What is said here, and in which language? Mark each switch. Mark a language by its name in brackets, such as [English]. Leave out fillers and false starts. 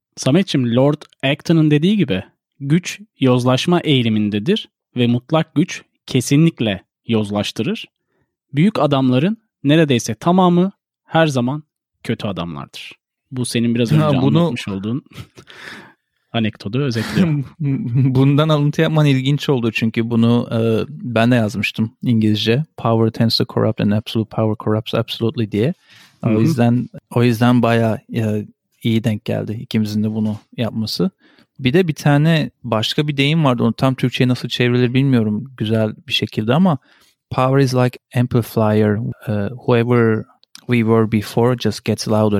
[Turkish] Samet'ciğim, Lord Acton'ın dediği gibi güç yozlaşma eğilimindedir ve mutlak güç kesinlikle yozlaştırır. Büyük adamların neredeyse tamamı her zaman kötü adamlardır. Bu senin biraz önce anlatmış olduğun anekdotu özetliyor. Bundan alıntı yapman ilginç oldu çünkü bunu ben de yazmıştım İngilizce. [English] Power tends to corrupt and absolute power corrupts absolutely [Turkish] diye. Hı-hı. O yüzden bayağı iyi denk geldi ikimizin de bunu yapması. Bir de bir tane başka bir deyim vardı, onu tam Türkçe'ye nasıl çevrilir bilmiyorum güzel bir şekilde ama [English] power is like amplifier, whoever we were before just gets louder.